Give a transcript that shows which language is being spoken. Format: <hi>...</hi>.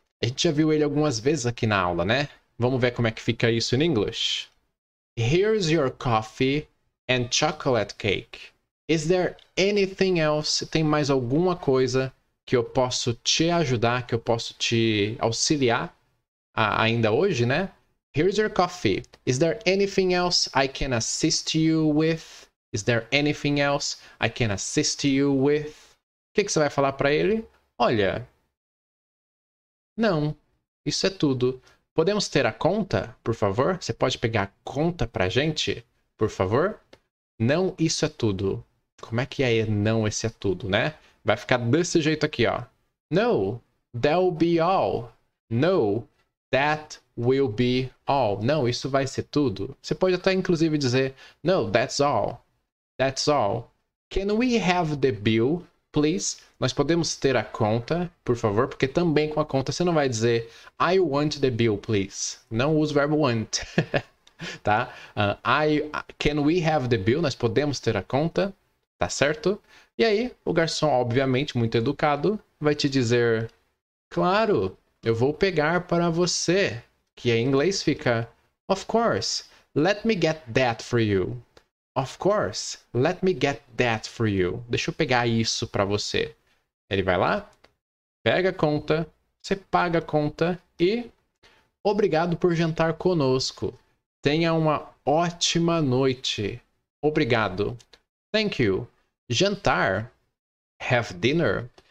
<pt>A gente já viu ele algumas vezes aqui na aula, né? Vamos ver como é que fica isso em inglês.</pt> <en>Here's your coffee and chocolate cake. Is there anything else?</en> <pt>Tem mais alguma coisa que eu posso te ajudar, que eu posso te auxiliar? Ainda hoje, né?</pt> <en>Here's your coffee. Is there anything else I can assist you with? Is there anything else I can assist you with?</en> <pt>O que que você vai falar para ele? Olha, não. Isso é tudo. Podemos ter a conta, por favor? Você pode pegar a conta para a gente, por favor? Não, isso é tudo. Como é que é não, esse é tudo, né? Vai ficar desse jeito aqui, ó.</pt> <en>No, that'll be all. No. That will be all.</en> <pt>Não, isso vai ser tudo. Você pode até inclusive dizer,</pt> <en>No, that's all. That's all. Can we have the bill, please?</en> <pt>Nós podemos ter a conta, por favor, porque também com a conta você não vai dizer,</pt> <en>I want the bill, please.</en> <pt>Não use o verbo want. Tá?</pt> <en>Can we have the bill?</en> <pt>Nós podemos ter a conta. Tá certo? E aí, o garçom, obviamente, muito educado, vai te dizer, Claro. Eu vou pegar para você, que em inglês fica</pt> <en>Of course, let me get that for you. Of course, let me get that for you.</en> <pt>Deixa eu pegar isso para você. Ele vai lá, pega a conta, você paga a conta e obrigado por jantar conosco. Tenha uma ótima noite. Obrigado.</pt> <en>Thank you.</en> <pt>Jantar.</pt> <en>Have dinner.</en>